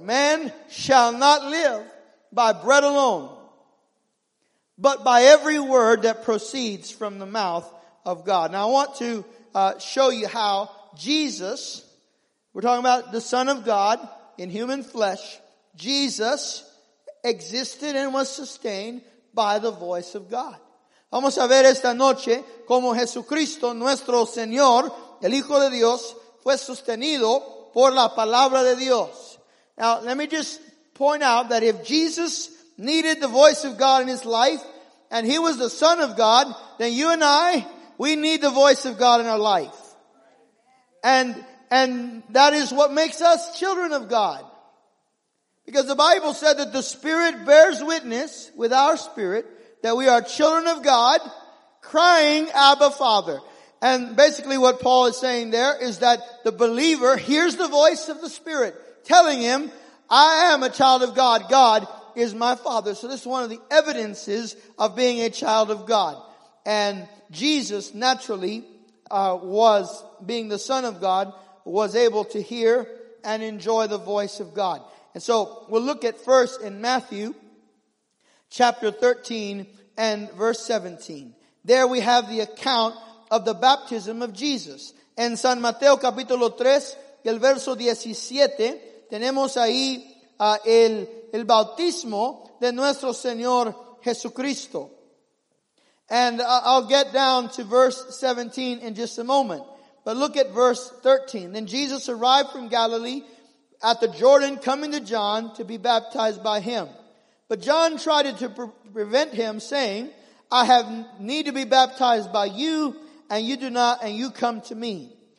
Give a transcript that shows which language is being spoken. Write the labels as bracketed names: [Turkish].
[English] Man shall not live by bread alone, but by every word that proceeds from the mouth of God. Now I want to show you how Jesus, we're talking about the Son of God in human flesh, Jesus existed and was sustained by the voice of God. [Spanish] Vamos a ver esta noche cómo Jesucristo, nuestro Señor, el Hijo de Dios, fue sostenido por la palabra de Dios. [English] Now, let me just point out that if Jesus needed the voice of God in His life, and He was the Son of God, then you and I, we need the voice of God in our life. And that is what makes us children of God. Because the Bible said that the Spirit bears witness with our spirit that we are children of God, crying, Abba, Father. And basically what Paul is saying there is that the believer hears the voice of the Spirit telling him, I am a child of God. God is my Father. So this is one of the evidences of being a child of God. And Jesus naturally was, being the Son of God, was able to hear and enjoy the voice of God. And so we'll look at first in Matthew chapter 13 and verse 17. There we have the account of the baptism of Jesus. [Spanish] En San Mateo capítulo 3, el verso 17, tenemos ahí el bautismo de nuestro Señor Jesucristo. [English] And I'll get down to verse 17 in just a moment. But look at verse 13. Then Jesus arrived from Galilee at the Jordan, coming to John to be baptized by him. But John tried to prevent him, saying, I have need to be baptized by you, and you do not, and you come to me.